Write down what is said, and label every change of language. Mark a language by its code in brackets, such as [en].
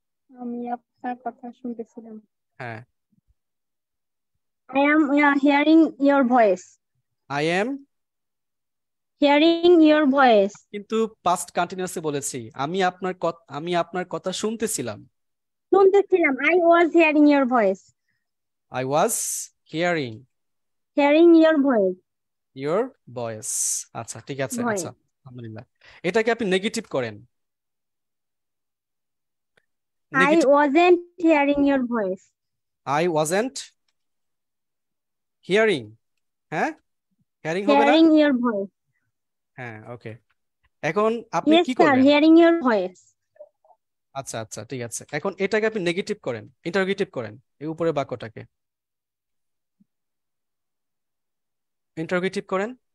[bn] আমি আপনার কথা শুনতেছিলাম। হ্যাঁ [en] I am hearing your voice. I am hearing your voice. [bn] কিন্তু past continuous এ বলেছি আমি আপনার কথা, আমি আপনার কথা শুনতেছিলাম। শুনতেছিলাম, [en] I was hearing your voice. I was hearing your voice. Your voice. [bn] আচ্ছা ঠিক আছে, আচ্ছা আলহামদুলিল্লাহ। এটাকে আপনি নেগেটিভ করেন। [en] I wasn't hearing your voice. I wasn't hearing, [bn] হ্যাঁ [en] hearing [bn] হবে না, [en] hearing your voice, [bn] হ্যাঁ ওকে। এখন আপনি কি করেন? [en] Yes, hearing your voice. [bn] আচ্ছা আচ্ছা ঠিক আছে, এখন এটাকে আপনি নেগেটিভ করেন, ইন্টারোগেটিভ করেন এই উপরে বাক্যটাকে, ইন্টারোগেটিভ করেন।